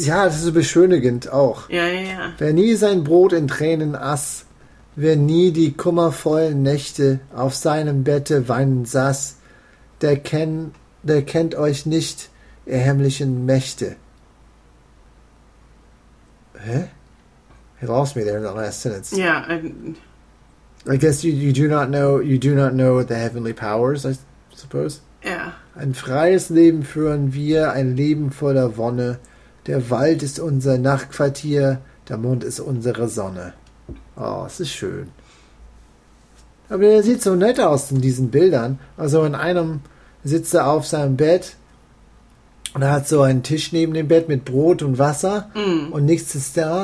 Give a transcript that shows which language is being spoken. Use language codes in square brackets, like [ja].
[de] Ja, das ist beschönigend auch. Ja, ja, ja. Wer nie sein Brot in Tränen aß, wer nie die kummervollen Nächte auf seinem Bette weinen saß, der kennt euch nicht, ihr heimlichen Mächte. [en] Hä? He lost me there in the last sentence. Yeah, I guess you do not know the heavenly powers, I suppose. Yeah. [de] Ein freies Leben führen wir, ein Leben voller Wonne. Der Wald ist unser Nachtquartier, der Mond ist unsere Sonne. Oh, es ist schön. Aber er sieht so nett aus in diesen Bildern. Also in einem sitzt er auf seinem Bett und er hat so einen Tisch neben dem Bett mit Brot und Wasser und nichts ist da.